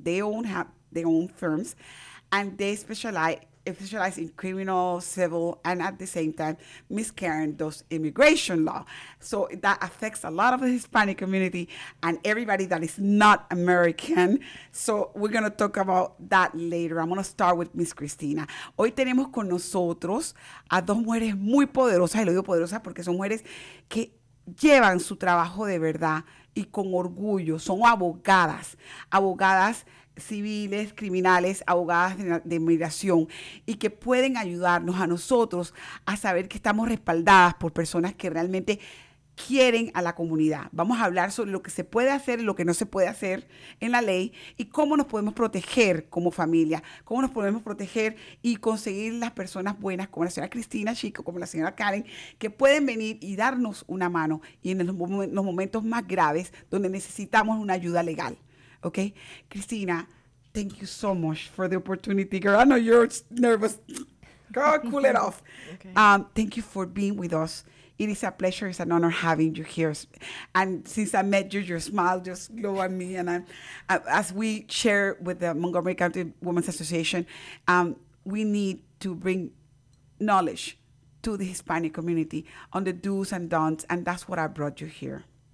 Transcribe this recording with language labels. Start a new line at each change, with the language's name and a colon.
English: They own have their own firms, and they specialize in criminal, civil, and at the same time, Ms. Karen does immigration law. So that affects a lot of the Hispanic community and everybody that is not American. So we're going to talk about that later. I'm going to start with Ms. Christina.
Spanish: Hoy tenemos con nosotros a dos mujeres muy poderosas, y lo digo poderosas porque son mujeres que llevan su trabajo de verdad y con orgullo. Son abogadas, abogadas civiles, criminales, abogadas de inmigración, y que pueden ayudarnos a nosotros a saber que estamos respaldadas por personas que realmente quieren a la comunidad. Vamos a hablar sobre lo que se puede hacer y lo que no se puede hacer en la ley y cómo nos podemos proteger como familia, cómo nos podemos proteger y conseguir las personas buenas como la señora Christina Sheik, como la señora Karen, que pueden venir y darnos una mano y en los momentos más graves donde necesitamos una ayuda legal.
English: Okay, Christina, thank you so much for the opportunity, girl. I know you're nervous. Girl, cool it off. Okay. Thank you for being with us. It is a pleasure, it's an honor having you here. And since I met you, your smile just glow on me. And as we share with the Montgomery County Women's Association, we need to bring knowledge to the Hispanic community on the do's and don'ts, and that's what I brought you here.